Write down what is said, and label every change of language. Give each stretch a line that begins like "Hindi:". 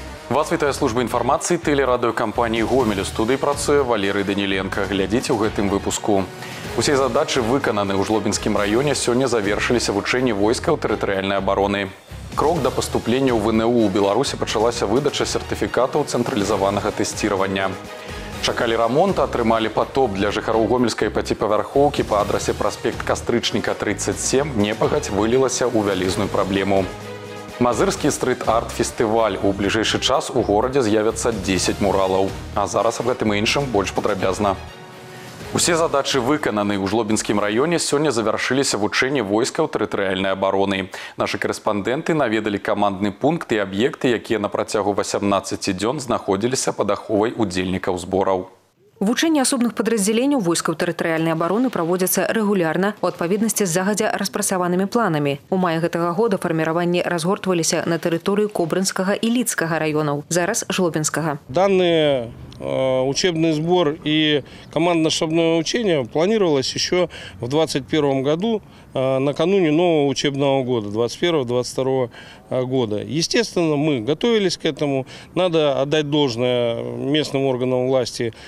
Belarusian: Вас вітає служба інформації телерадіокампанії «Гомель». У студії працює Валерій Даніленко. Глядіть у гэтым выпуску. Усе задачі виконані у Жлобінському районі. Сьогодні завершилися вучэнні войскаў тэрытарыяльнай абароны. Крок до поступлення у ВНУ. У Беларусі почалася выдача сертыфікатаў цэнтралізаванага тэсціравання. Чакалі рамонта, атрымалі патоп для жыхароў гомельскай пяціпавярхоўкі па адрасе праспект Кастрычніка, 37. Непагадзь вылілася ў вялізную праблему. Мазырскі стрыт-арт-фестываль. У бліжэйшы час у горадзе з'явяцца 10 муралаў. А зараз аб гэтым іншым больш падрабязна. Усе задачы выкананы. У Жлобінскім раёне сёння завяршыліся вучэнні войскаў тэрытарыяльнай абароны. Нашы карэспандэнты наведалі камандны пункт і аб'екты, якія на працягу 18 дзён знаходзіліся пад аховай удзельнікаў збораў. Вучэнні асобных падраздзяленняў войскаў тэрытарыяльнай абароны праводзяцца рэгулярна ў адпаведнасці з загадзя распрацаванымі планамі. У маі гэтага года фарміраванні разгортваліся на тэрыторыі Кобрынскага і Лідскага раёнаў, зараз Жлобінскага.
Russian: Данные учебный сбор и командно-штабное учение планировалось еще в 2021 году, накануне нового учебного года, 2021-2022 года. Естественно, мы готовились к этому. Надо отдать должное местным органам власти.